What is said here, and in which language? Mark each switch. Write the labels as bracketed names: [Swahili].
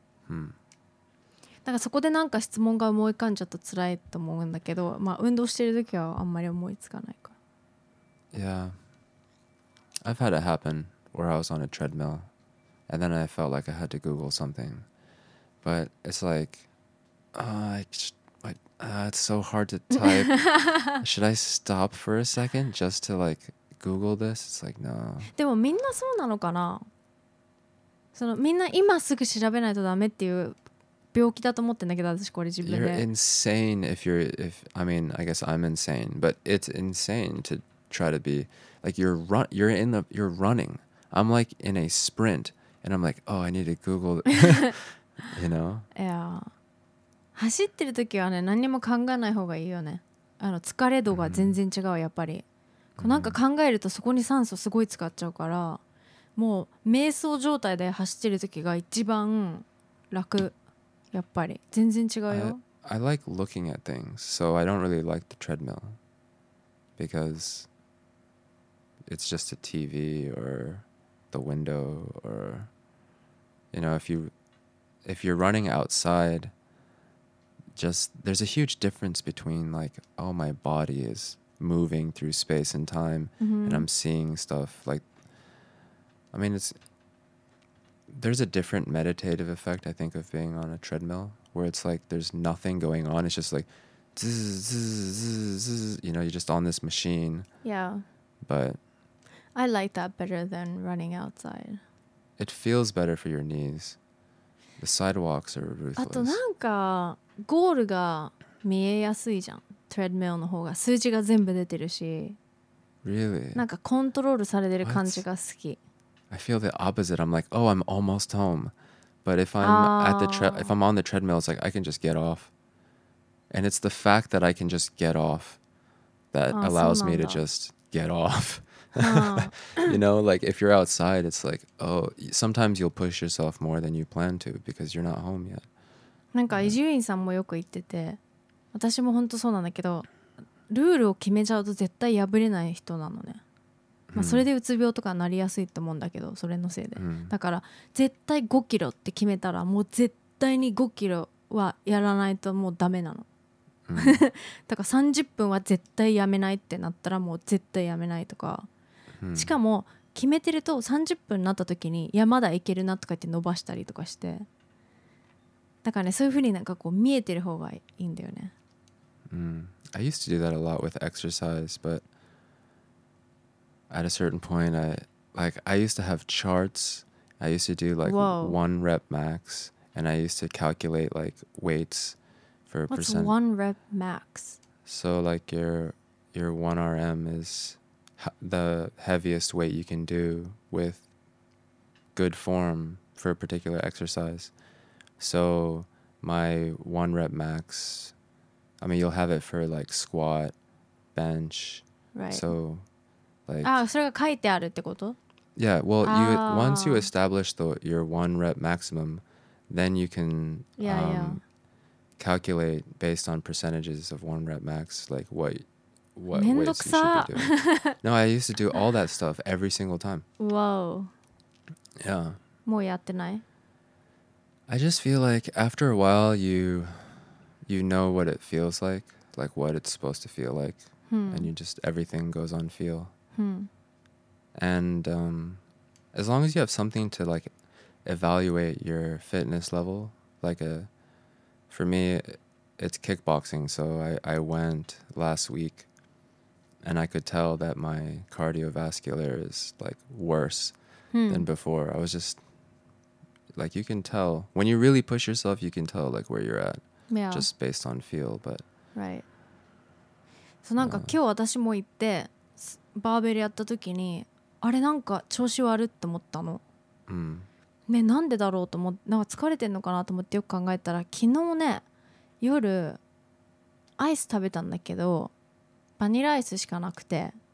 [Japanese] だからそこでなんか質問が思い浮かんじゃったつらいと思うんだけど、まあ運動してる時はあんまり思いつかないから。 [English] Yeah, I've had it happen where I was on a treadmill and then I felt like I had to Google something, but it's like, it's so hard to type. Should I stop for a second just to like Google this? It's like, no. [Japanese] でもみんなそうなのかな。そのみんな今すぐ調べないとダメっていう病気だと思ってんだけど、私これ自分で。 [English] You're insane if I mean, I guess I'm insane, but it's insane to try to be like you're running. I'm like in a sprint, and I'm like, oh, I need to Google. You know? Yeah. [Japanese] 走ってる時はね、何にも考えない方がいいよね。あの疲れ度が全然違う、やっぱり。こうなんか考えるとそこに酸素すごい使っちゃうから、もう瞑想状態で走ってる時が一番楽、やっぱり。全然違うよ。 [English] I like looking at things, so I don't really like the treadmill. Because it's just a TV or the window or... You know, if you're running outside... Just there's a huge difference between like, oh, my body is moving through space and time, and I'm seeing stuff. Like, I mean, there's a different meditative effect, I think, of being on a treadmill where it's like there's nothing going on. It's just like, zzz, zzz, zzz, you know, you're just on this machine. Yeah. But I like that better than running outside. It feels better for your knees. The sidewalks are ruthless. [Japanese] あとなんかゴールが見えやすいじゃん。 Treadmill の方が数字が全部出てるし。 [English] Really? [Japanese] なんかコントロールされてる感じが好き。 [English] I feel the opposite. I'm like, oh, I'm almost home. But if I'm at the if I'm on the treadmill, it's like I can just get off. And it's the fact that I can just get off that allows me to just get off. You know, like if you're outside, it's like, oh, sometimes you'll push yourself more than you plan to because you're not home yet. [Japanese] なんか伊集院さんもよく言ってて、私も本当そうなんだけど、ルールを決めちゃうと絶対破れない人なのね。まあ、それでうつ病とかなりやすいと思うんだけど、それのせいで、うん、だから絶対5キロって決めたらもう絶対に5キロはやらないともうダメなの、うん、だから30分は絶対やめないってなったらもう絶対やめないとか、うん、しかも決めてると30分になった時にいやまだいけるなとか言って伸ばしたりとかして、だからねそういう風になんかこう見えてる方がいいんだよね、 [English] うん、I used to do that a lot with exercise butAt a certain point, I used to have charts. I used to do like one rep max, and I used to calculate like weights for a percent. What's one rep max? So like your 1RM is the heaviest weight you can do with good form for a particular exercise. So my one rep max, I mean, you'll have it for like squat, bench. Right. So... [Japanese] それが書いてあるってこと? [English] Yeah, well, once you establish your one rep maximum, then you can calculate based on percentages of one rep max, like what weights you should be doing. No, I used to do all that stuff every single time. Whoa. Yeah. [Japanese] もうやってない? [English] I just feel like after a while, you know what it feels like what it's supposed to feel like, and you just, everything goes on feel. And as long as you have something to like evaluate your fitness level, for me, it's kickboxing. So I went last week and I could tell that my cardiovascular is like worse than before. I was just like, you can tell when you really push yourself, you can tell like where you're at just based on feel. But right. [Japanese] So なんか今日私も行ってバーベルやった時にあれなんか調子悪って思ったの、うん、ね、なんでだろうと思って、なんか疲れてんのかなと思ってよく考えたら、昨日ね夜アイス食べたんだけど、バニラアイスしかなくて、